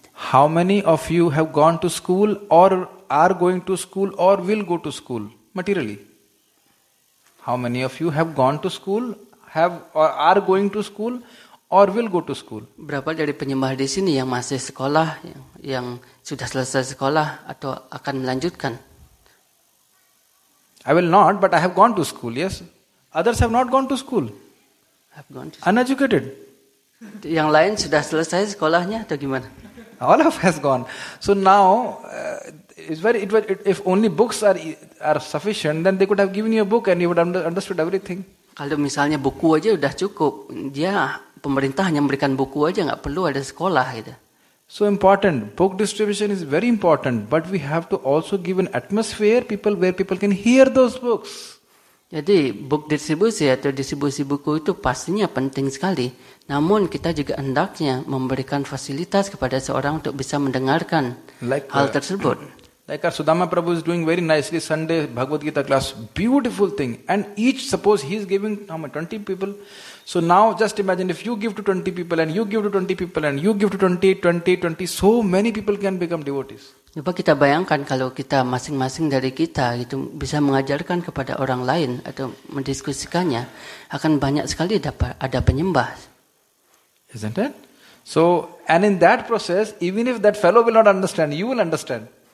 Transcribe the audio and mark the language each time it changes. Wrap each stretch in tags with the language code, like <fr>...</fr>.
<en>How many of you have gone to school or are going to school or will go to school materially? How many of you have gone to school, have or are going to school? Or will go to school.</en> <id>Berapa dari penyembah di sini yang masih sekolah, yang sudah selesai sekolah atau akan melanjutkan?</id> <en>I will not, but I have gone to school. Yes, others have not gone to school. Have gone to school. Uneducated.</en> <id>Yang lain sudah selesai sekolahnya atau gimana?</id> <en>All of has gone. So now if only books are sufficient, then they could have given you a book and you would have understood everything.</en> <id>Kalau misalnya buku aja sudah cukup, dia pemerintah hanya memberikan buku aja, enggak perlu ada sekolah gitu.</id> <en>So important, book distribution is very important, but we have to also give an atmosphere people where people can hear those books.</en> <id>Jadi book distribution atau distribusi buku itu pastinya penting sekali. Namun kita juga hendaknya memberikan fasilitas kepada seorang untuk bisa mendengarkan hal tersebut.</id> <en>Like our Sudama Prabhu is doing very nicely Sunday Bhagavad Gita class, beautiful thing. And each, suppose he is giving 20 people. So now just imagine if you give to 20 people and you give to 20 people and you give to 20, so many people can become devotees.</en> <id>Coba kita bayangkan kalau kita masing-masing dari kita itu bisa mengajarkan kepada orang lain atau mendiskusikannya, akan banyak sekali dapat ada penyembah.</id> <en>Isn't it? So, and in that process, even if that fellow will not understand, you will understand.</en>